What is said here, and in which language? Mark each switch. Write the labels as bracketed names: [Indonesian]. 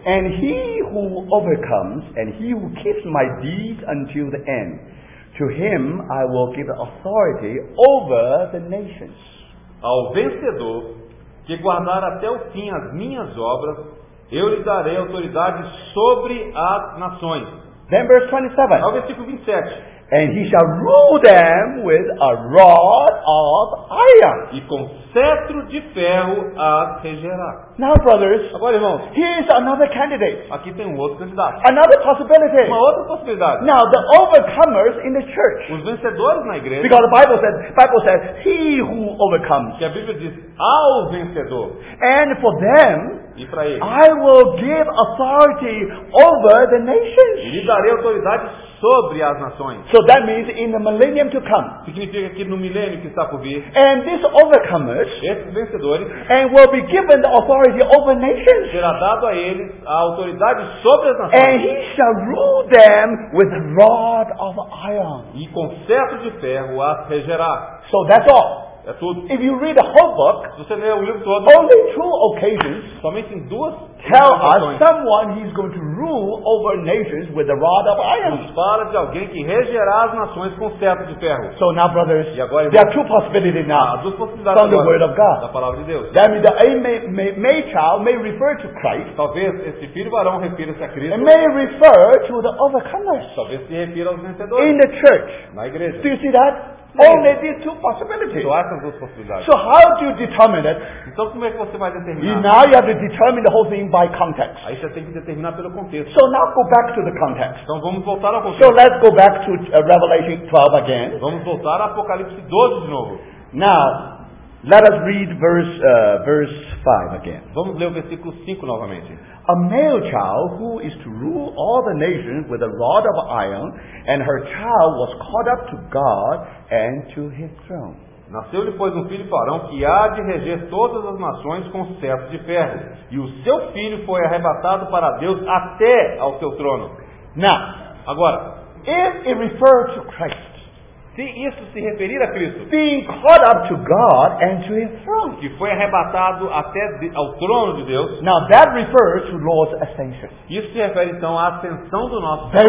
[English] And he who overcomes, and he who keeps my deeds until the end, to him I will give authority over the nations. [Portuguese] Ao vencedor que guardar até o fim as minhas obras, eu lhe darei autoridade sobre as nações. [English] Then verse 27. [Portuguese] Ao versículo 27. [English] And he shall rule them with a rod of iron. [Portuguese] E com cetro de ferro a regerá. [English] Now, brothers, [Portuguese] agora, irmãos, [English] here's another candidate. [Portuguese] Aqui tem um outro candidato. [English] Another possibility. [Portuguese] Uma outra possibilidade. [English] Now, the overcomers in the church. [Portuguese] Os vencedores na igreja. [English] Because the Bible says, he who overcomes. [Portuguese] Que a Bíblia diz, ao vencedor. [English] And for them, [Portuguese] e para eles, [English] I will give authority over the nations. [Portuguese] E lhe darei autoridade sobre as nações. [English] So that means in the millennium to come. [Portuguese] Significa que no milênio que está por vir. [English] And these overcomers, [Portuguese] esses vencedores, [English] and will be given the authority over nations. [Portuguese] Será dado a eles a autoridade sobre as nações. [English] And he shall rule them with a rod of iron. [Portuguese] E com cetro de ferro as regerá. [English] So that's all. [Portuguese] É tudo. [English] If you read the whole book, [Portuguese] se você ler o livro todo, [English] only two occasions, [Portuguese] somente em duas, [English] tell us someone he's going to rule over nations with the rod of iron. [Portuguese] Nos fala de alguém que regerá as nações com cetro de ferro. [English] So now, brothers, [Portuguese] e agora, [English] there are two possibilities now. [Portuguese] Duas possibilidades [English] from [Portuguese] agora, [English] the word of God, [Portuguese] da palavra de Deus. [English] That means the may child may refer to Christ. [Portuguese] Talvez esse filho varão refira-se a Cristo. [English] And may refer to the overcomers. [Portuguese] Talvez se refira aos vencedores. [English] In the church, [Portuguese] na igreja. [English] Do you see that? Only these two possibilities. [Portuguese] Só essas duas possibilidades. [English] So how do you determine that? [Portuguese] Então como é que você vai determinar? [English] You now you have to determine the whole thing by context. [Portuguese] Aí você tem que determinar pelo contexto. [English] So now go back to the context. [Portuguese] Então vamos voltar ao contexto. [English] So let's go back to Revelation 12 again. [Portuguese] Vamos voltar a Apocalipse 12 de novo. [English] Now, let us read verse 5 again. [Portuguese] Vamos ler o versículo 5 novamente. [English] A male child who is to rule all the nations with a rod of iron, and her child was caught up to God and to his throne. [Portuguese] Nasceu-lhe, pois, um filho varão que há de reger todas as nações com cetro de ferro. E o seu filho foi arrebatado para Deus até ao seu trono. [English] Now, [Portuguese] agora, [English] if it refers to Christ, [Portuguese] se isso se referir a Cristo, [English] being caught up to God and to his throne, [Portuguese] que foi arrebatado até ao trono de Deus. [English] Now that refers to Lord's ascension. [Portuguese] Isso se refere então à ascensão do nosso Senhor.